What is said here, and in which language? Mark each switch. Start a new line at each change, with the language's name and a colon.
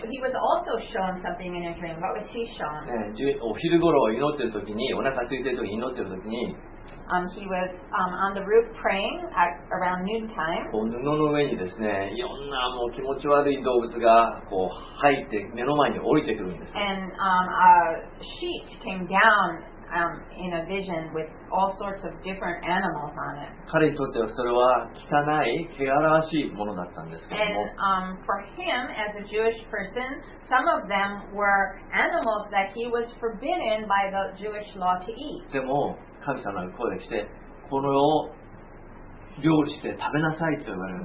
English: He was also shown something in a dream. What was he shown?
Japanese: お昼ごろ祈っているときに、お腹空いているときに祈っているときに、
English: he was, on the roof praying at around noontime.
Japanese: 布の上にですね、いろんなもう気持ち悪い動物がこう入って目の前に降りてくるんです。
English: And, a sheet came down, in a vision with all sorts of different animals on it.
Japanese: 彼にとってはそれは汚い、汚らしいものだったんですけども。
English: And, for him, as a Jewish person, some of them were animals that he was forbidden by the Jewish law to eat.
Japanese: でも神様が声をして、これを料理して食べなさいと言われる。